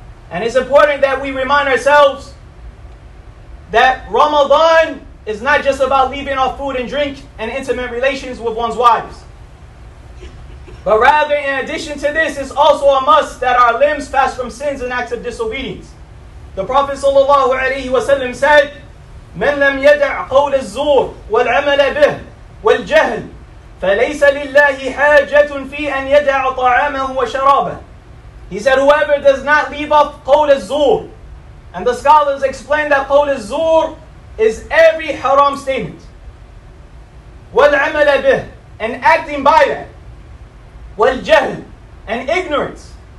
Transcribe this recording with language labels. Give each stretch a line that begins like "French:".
English: And it's important that we remind ourselves that Ramadan is not just about leaving off food and drink and intimate relations with one's wives. But rather, in addition to this, it's also a must that our limbs fast from sins and acts of disobedience. The Prophet sallallahu alaihi wasallam said,
Arabic: "من لم يدع قول الزور والعمل به والجهل فليس لله حاجة في أن يدع طعامه وشرابه."
English: He said, "Whoever does not leave off qawl al-zur," and the scholars explain that qawl al-zur is every haram statement.
Arabic: وَالْعَمَلَ بِهِ,
English: and acting by that.
Arabic: وَالْجَهْلِ,
English: and ignorance.